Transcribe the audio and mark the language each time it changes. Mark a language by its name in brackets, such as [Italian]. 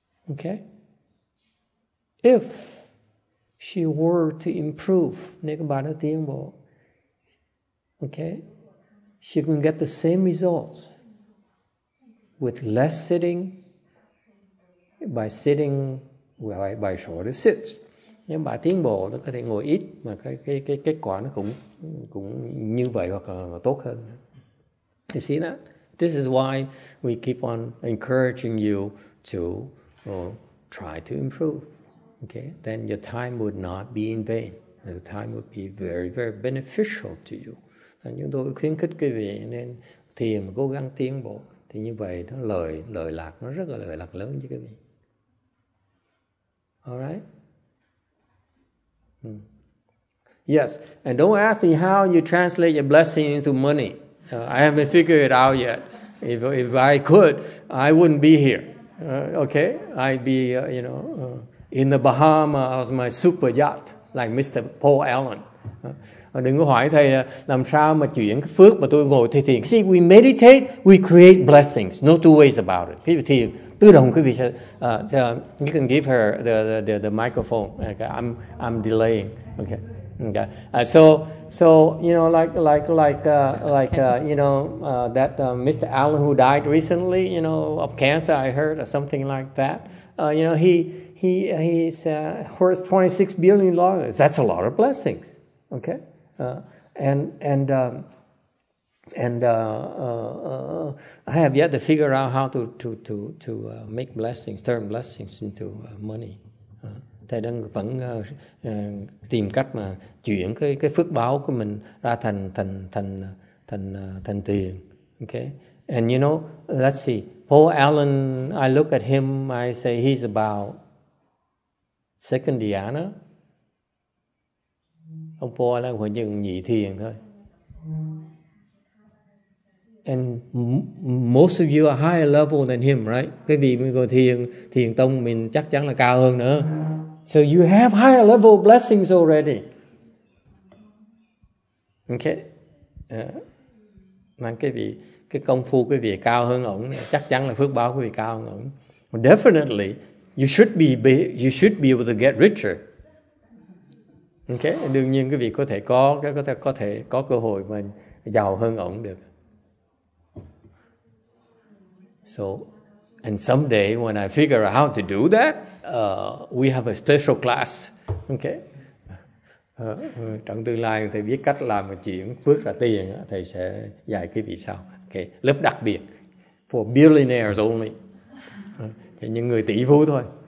[English] Okay? If she were to improve, [Vietnamese] nếu bà đã tiến bộ, [English] okay, she can get the same results with less sitting, by sitting, by shorter sits. [Vietnamese] Nhưng bà tiến bộ, nó có thể ngồi ít, mà cái kết quả nó cũng như vậy hoặc là tốt hơn. [English] You see that? This is why we keep on encouraging you to try to improve. Okay, then your time would not be in vain. The time would be very, very beneficial to you. [Vietnamese] And chúng tôi khuyến khích quý vị nên thiền, cố gắng tiến bộ. Thì như vậy nó lợi lạc, nó rất là lợi lạc lớn cho quý vị. [English] All right? Yes, and don't ask me how you translate your blessing into money. I haven't figured it out yet. If I could, I wouldn't be here. Okay? I'd be, in the Bahamas, my super yacht, like Mr. Paul Allen. [Vietnamese] Đừng có hỏi thầy làm sao mà chuyển cái phước mà tôi ngồi thầy thiền. [English] See, we meditate, we create blessings. No two ways about it. [Vietnamese] Khi thiền, tự động quý vị sẽ, [English] you can give her the microphone. Okay, I'm delaying. Okay. So you know, that Mr. Allen who died recently, you know, of cancer, I heard, or something like that. He's worth $26 billion. That's a lot of blessings. Okay, I have yet to figure out how to make blessings, turn blessings into money. [Vietnamese] Thầy đang vẫn tìm cách mà chuyển cái phước báo của mình ra thành tiền. [English] Okay, and you know, let's see, Paul Allen. I look at him. I say he's about second dhyana. [Vietnamese] Ông Paul Allen hồi như nhị thiền thôi. [English] And most of you are higher level than him, right? [Vietnamese] Cái vị mình gọi thiền tông mình chắc chắn là cao hơn nữa. [English] So you have higher level blessings already. Okay. [Vietnamese] Mà cái công phu quý vị cao hơn ổng, chắc chắn là phước báo quý vị cao hơn ổng. [English] Definitely, you should be able to get richer. [Vietnamese] Okay, đương nhiên quý vị có thể có cơ hội mà giàu hơn ổng được. [English] So, and someday when I figure out how to do that, we have a special class. Okay. [Vietnamese] Trong tương lai thầy biết cách làm chuyển phước ra tiền, thầy sẽ dạy quý vị sau. Okay, lớp đặc biệt [English] for billionaires only. [Vietnamese] Cho những người tỷ phú thôi.